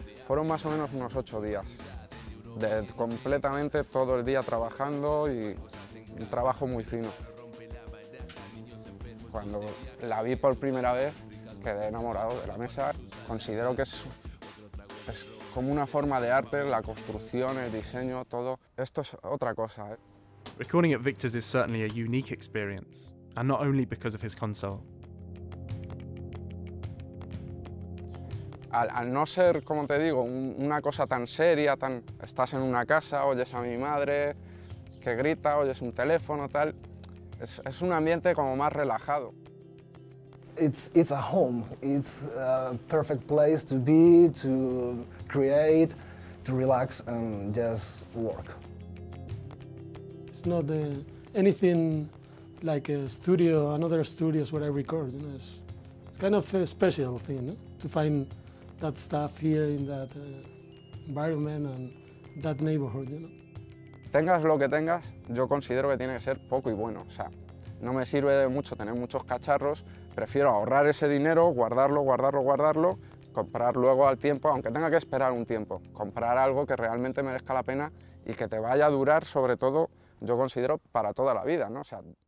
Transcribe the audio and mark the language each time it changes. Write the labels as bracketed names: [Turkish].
[Spanish] Fueron más o menos unos 8 días. De completamente todo el día trabajando y un trabajo muy fino. Cuando la vi por primera vez, quedé enamorado de la mesa. Considero que es como una forma de arte, la construcción, el diseño, todo. Esto es otra cosa. [English] Recording at Victor's is certainly a unique experience, and not only because of his console. [Spanish] Al no ser, como te digo, una cosa tan seria, tan estás en una casa, oyes a mi madre que grita, oyes un teléfono, tal. Es un ambiente como más relajado. [English] It's a home. It's a perfect place to be, to create, to relax and just work. It's not anything like a studio, another studio is where I record. You know, it's kind of a special thing, you know, to find that stuff here in that environment and that neighborhood, you know. [Spanish] Tengas lo que tengas, yo considero que tiene que ser poco y bueno. O sea, no me sirve de mucho tener muchos cacharros. Prefiero ahorrar ese dinero, guardarlo, comprar luego al tiempo, aunque tenga que esperar un tiempo, comprar algo que realmente merezca la pena y que te vaya a durar, sobre todo, yo considero, para toda la vida, ¿no? O sea.